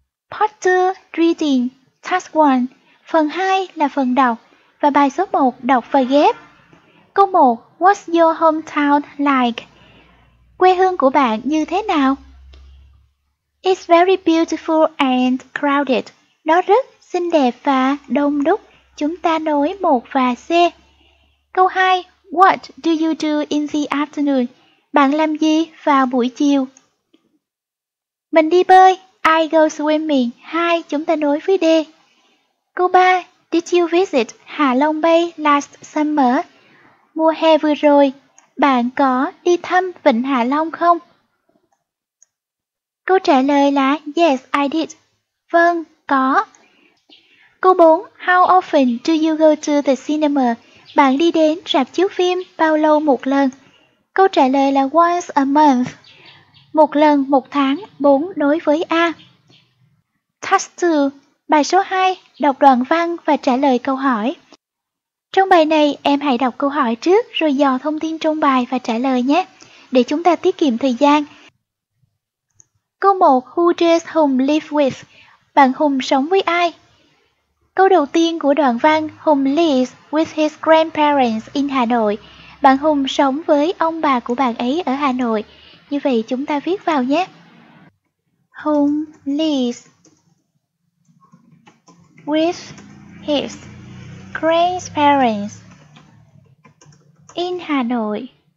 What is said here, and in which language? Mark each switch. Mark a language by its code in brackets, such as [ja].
[en] Part 2, reading, task 1, [vi] phần 2 là phần đọc, và bài số 1 đọc và ghép. Câu 1, [en] what's your hometown like? [vi] Quê hương của bạn như thế nào? [en] It's very beautiful and crowded. [vi] Nó rất xinh đẹp và đông đúc. Chúng ta nối 1 và C. Câu 2, [en] what do you do in the afternoon? [vi] Bạn làm gì vào buổi chiều? Mình đi bơi. [en] I go swimming. [vi] 2, chúng ta nối với D. Câu 3, [en] did you visit Hạ Long Bay last summer? [vi] Mùa hè vừa rồi, bạn có đi thăm Vịnh Hạ Long không? Câu trả lời là [en] yes, I did. [vi] Vâng, có. Câu 4, [en] how often do you go to the cinema? [vi] Bạn đi đến rạp chiếu phim bao lâu một lần? Câu trả lời là [en] once a month. [vi] Một lần một tháng, 4 nối với A. [en] Task 2, [vi] bài số 2, đọc đoạn văn và trả lời câu hỏi. Trong bài này, em hãy đọc câu hỏi trước rồi dò thông tin trong bài và trả lời nhé, để chúng ta tiết kiệm thời gian. Câu 1, [en] who does Hùng live with? [vi] Bạn Hùng sống với ai? Câu đầu tiên của đoạn văn, [en] Hùng lives with his grandparents in Hà Nội. [vi] Bạn Hùng sống với ông bà của bạn ấy ở Hà Nội. Như vậy chúng ta viết vào nhé. [en] Hùng lives with his grandparents in Hà Nội.